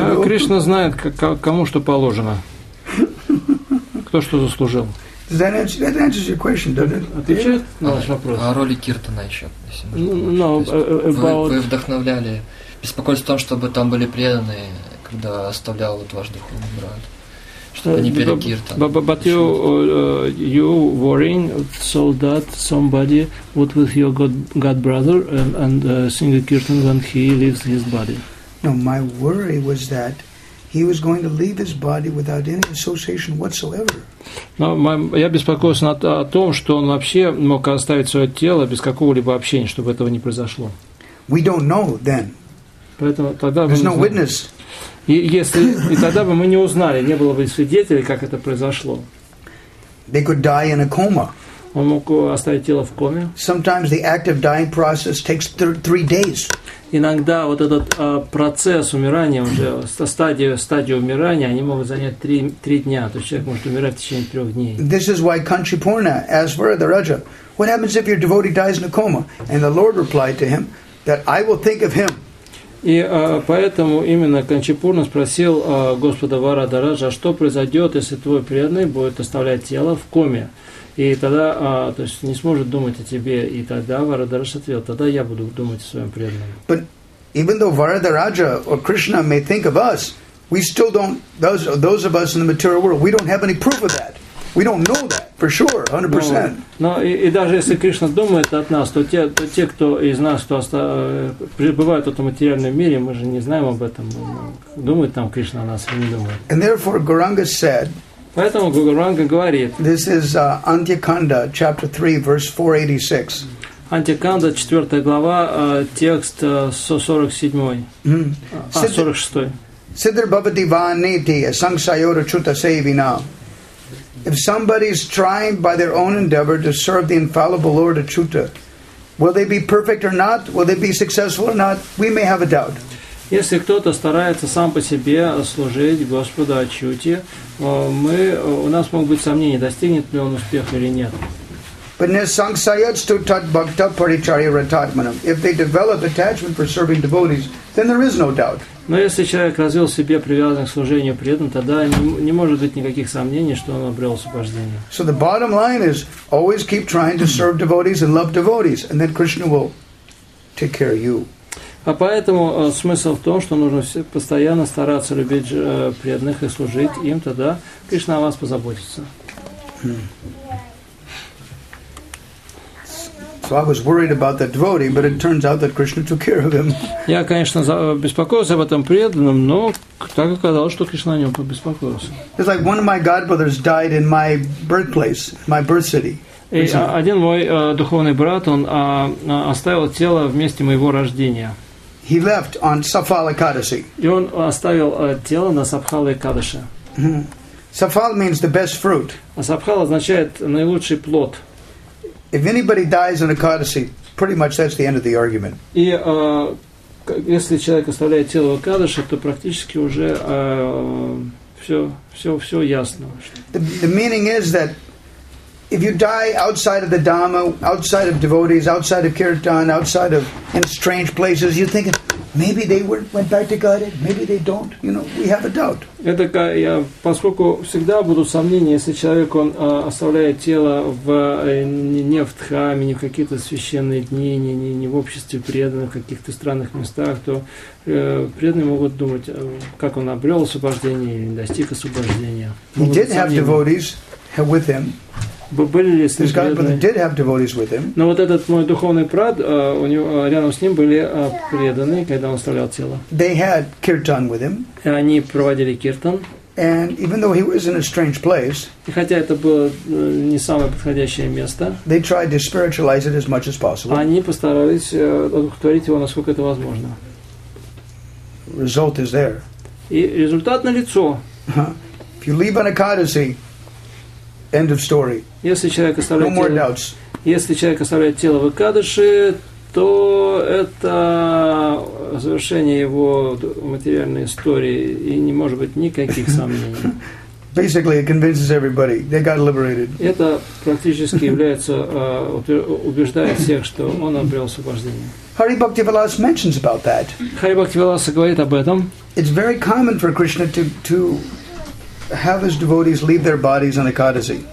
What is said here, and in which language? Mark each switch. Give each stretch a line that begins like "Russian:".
Russian: Кришна знает, кому что положено. Кто что заслужил.
English: That answers your question, doesn't it?
Russian: О роли киртана еще, если можно. Вы вдохновляли. Беспокойство о том, чтобы там были преданные, когда оставлял ваш духовный брат.
English: But you worrying so that somebody would with your god brother and sing a kirtan when he leaves his body. No, my worry was that he was going to leave his body without any association whatsoever. No,
Russian: я беспокоился о том, что он вообще мог оставить свое тело без какого-либо общения, чтобы этого не произошло.
English: We don't know then.
Russian: Поэтому тогда
English: there's no witness.
Russian: И тогда бы мы не узнали, не было бы свидетелей, как это произошло.
English: They could die in a coma.
Russian: Он мог оставить тело в коме.
English: Sometimes the active dying process takes 3 days.
Russian: иногда вот этот процесс умирания, уже стадия умирания, они могут занять 3 дня, то есть человек может умирать в течение 3 дней.
English: This is why country porna as for the Raja. What happens if your devotee dies in a coma? And the Lord replied to him that I will think of him.
Russian: И поэтому именно Канчипурна спросил Господа Варадараджа, что произойдет, если твой преданный будет оставлять тело в коме, и тогда, то есть, не сможет думать о тебе, и тогда Варадарадж ответил, тогда я буду думать о своем преданном.
English: But even though Varadaraja or Krishna may think of us, we still don't. Those of us in the material world, we don't have any proof of that. We don't know that for sure, 100%.
Russian: Но и даже если Кришна думает от нас, то те, кто из нас, кто пребывает в этом материальном мире, мы же не знаем об этом. Думает там Кришна о нас или не думает.
English: And therefore, Gauranga said.
Russian: Поэтому Гуранга говорит.
English: This is Antyakanda, chapter 3, verse 486.
Russian: Антиканда, 4 глава, текст 47.
Sanskrit: Сидр Бхавати Ваанити, Сангсайора Чута Сейвина.
English: If somebody is trying by their own endeavor to serve the infallible Lord Achyuta, will they be perfect or not? Will they be successful or not? We may have a doubt.
Russian: Если кто-то старается сам по себе служить Господу Ачьюте, у нас могут быть сомнения, достигнет ли он успеха или нет.
English: But in
Sanskrit: sangsayat stu tat bhakta paricharya ratatmanam.
English: If they develop attachment for serving devotees, then there is no doubt.
Russian: Но если человек развил в себе привязанность к служению преданным, тогда не может быть никаких сомнений, что он обрел освобождение.
English: So the bottom line is always keep trying to serve devotees and love devotees, and then Krishna will take care of you.
Russian: А поэтому смысл в том, что нужно постоянно стараться любить преданных и служить им, тогда Кришна о вас позаботится.
English: So I was worried about that devotee, but it turns out that Krishna took care of him.
Russian: Я, конечно, беспокоился об этом преданном, но так оказалось, что Кришна о нем побеспокоился.
English: It's like one of my godbrothers died in my birthplace, my birth city.
Russian: И один мой духовный брат, он оставил тело в месте моего рождения.
English: He left on Safala Kadashi.
Russian: И он оставил тело на Сабхала Кадаши.
English: Safal means the best fruit.
Russian: А Сабхал означает наилучший плод.
English: If anybody dies in a Kadasi, pretty much that's the end of the argument.
Russian: И если человек оставляет тело в Кадаши, то практически уже все ясно.
English: The meaning is that if you die outside of the Dhamma, outside of devotees, outside of Kirtan, outside of in strange places, you think maybe they went back to Godhead, maybe they don't. You know, we have a doubt.
Russian: Это я, поскольку всегда будут сомнения, если человек он оставляет тело в не в Дхаме, не в какие-то священные дни, не в обществе преданных, в каких-то странных местах, то преданные могут думать, как он обрел освобождение или достиг освобождения.
English: He did have devotees with him.
Russian: Были ли с ним? Но вот этот мой духовный брат, у него рядом с ним были преданные, когда он оставлял тело.
English: They had kirtan with him.
Russian: И они проводили киртан.
English: And even though he was in a strange place,
Russian: и хотя это было не самое подходящее место,
English: they tried to spiritualize it as much as possible.
Russian: Они постарались одухотворить его, насколько это возможно.
English: Result is there.
Russian: И результат налицо.
English: If you leave an ekadasi. End of story.
Russian: Если человек оставляет
English: no more doubts.
Russian: Если человек оставляет тело в Экадыши, то это завершение его материальной истории, и не может быть никаких сомнений.
English: Basically, it convinces everybody they got liberated.
Russian: Это практически является убеждает всех, что он обрел освобождение.
English: Hari Bhakti Vilas mentions about that.
Russian: Hari Bhakti Vilas говорит об этом.
English: It's very common for Krishna to have his devotees leave their bodies on Ekadasi.